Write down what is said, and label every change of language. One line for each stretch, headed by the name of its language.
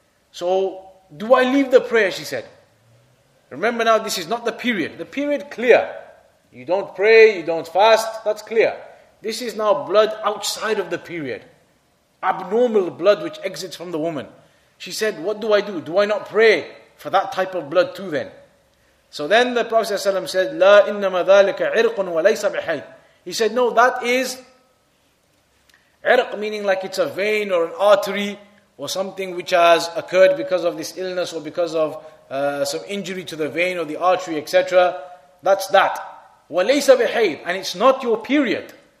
English: So, do I leave the prayer, she said. Remember now, this is not the period. The period, clear. You don't pray, you don't fast, that's clear. This is now blood outside of the period. Abnormal blood which exits from the woman. She said, what do I do? Do I not pray for that type of blood too then? So then the Prophet ﷺ said,
Arabic: لا إنما ذلك عرق وليس بحيض.
English: He said, no, that is عرق, meaning like it's a vein or an artery, or something which has occurred because of this illness, or because of some injury to the vein or the artery, etc. That's that.
Arabic: وَلَيْسَ بِحَيْضٍ,
English: and it's not your period.